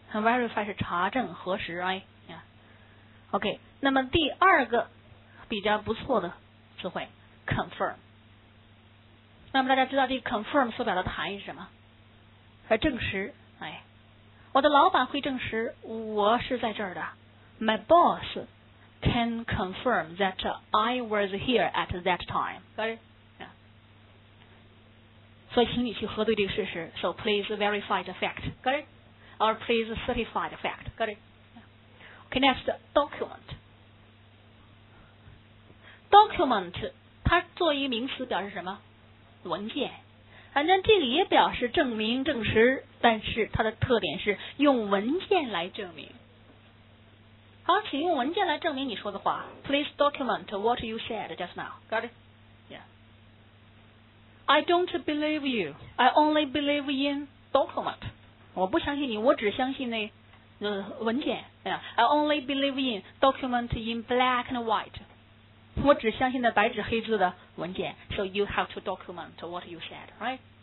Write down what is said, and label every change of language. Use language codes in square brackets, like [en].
[zh] verify 是查证、核实 ，right？ Yeah. OK， 那么第二个比较不错的词汇 confirm。那么大家知道这个 confirm 所表达的含义是什么？来证实，哎，我的老板会证实我是在这儿的。 [en] My boss can confirm that I was here at that time. Got it? [zh] 所以请你去核对这个事实 [en] So please verify the fact Got it? Or please certify the fact Got it? OK connects document. [zh] Document 它作为名词表示什么？文件。反正这个也表示证明证实，但是它的特点是用文件来证明。好，请用文件来证明你说的话。 [en] Please document what you said just now. Got it? Yeah. I don't believe you. I only believe in document. [zh] 我不相信你，我只相信那文件。 [en] Yeah. I only believe in document in black and white. [zh] 我只相信那白纸黑字的文件。 [en] So you have to document what you said, right?